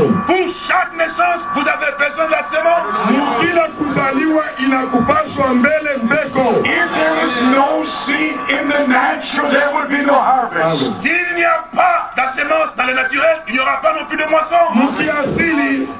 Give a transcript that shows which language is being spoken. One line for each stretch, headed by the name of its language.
French: Pour chaque naissance, vous avez besoin de la semence.
English: If there is no seed in the natural, there will be no harvest.
French: S'il n'y a pas de semence dans le naturel, il n'y aura pas non plus de moisson.